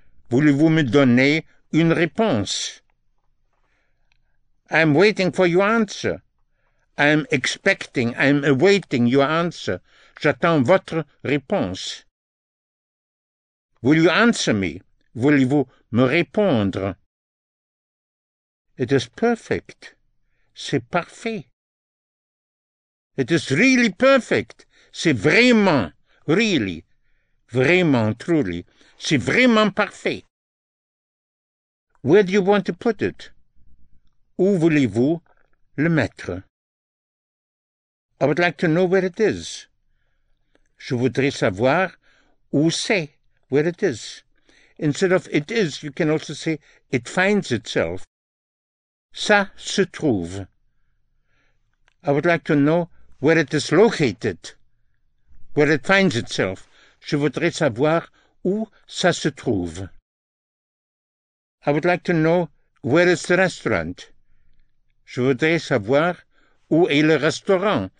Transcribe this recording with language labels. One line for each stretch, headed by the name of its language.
French: Voulez-vous me donner une réponse?
English: I'm waiting for your answer. I'm expecting, I'm awaiting your answer.
French: J'attends votre réponse.
English: Will you answer me?
French: Voulez-vous me répondre?
English: It is perfect.
French: C'est parfait.
English: It is really perfect.
French: C'est vraiment,
English: really,
French: vraiment,
English: truly.
French: C'est vraiment parfait.
English: Where do you want to put it?
French: Où voulez-vous le mettre?
English: I would like to know where it is.
French: Je voudrais savoir où c'est,
English: where it is. Instead of it is, you can also say it finds itself.
French: Ça se trouve.
English: I would like to know where it is located, where it finds itself.
French: Je voudrais savoir où ça se trouve.
English: I would like to know where is the restaurant.
French: Je voudrais savoir où est le restaurant.